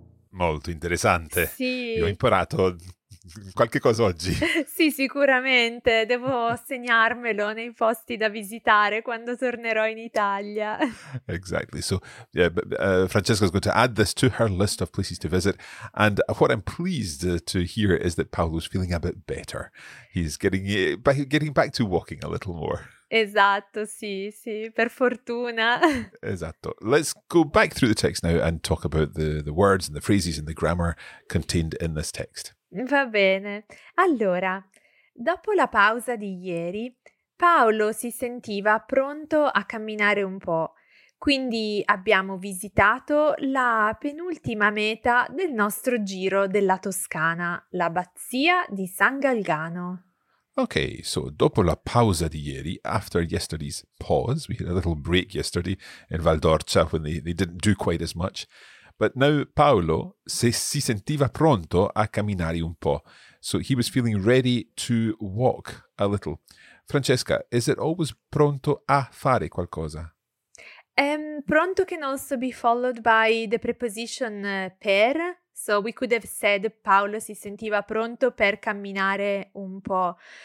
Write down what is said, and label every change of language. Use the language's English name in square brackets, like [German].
[Italian] molto interessante. Sì. Io ho imparato qualche cosa oggi. Sì, sicuramente. Devo segnarmelo nei posti da visitare quando tornerò in Italia. [English] Exactly. So, yeah, Francesca is going to add this to her list of places to visit. And what I'm pleased to hear is that Paolo's feeling a bit better. He's getting back to walking a little more. [Italian] Esatto, sì, per fortuna. Esatto. [English] Let's go back through the text now and talk about the words and the phrases and the grammar contained in this text. [Italian] Va bene. Allora, dopo la pausa di ieri, Paolo si sentiva pronto a camminare un po', quindi abbiamo visitato la penultima meta del nostro giro della Toscana, l'abbazia di San Galgano. [English] Okay, so [Italian] dopo la pausa di ieri, [English] after yesterday's pause, we had a little break yesterday in Val d'Orcia when they didn't do quite as much. But now [Italian] Paolo si sentiva pronto a camminare un po'. [English] So he was feeling ready to walk a little. Francesca, is it always [Italian] pronto a fare qualcosa? [English] Pronto can also be followed by the preposition per. So we could have said [Italian] Paolo si sentiva pronto per camminare un po'.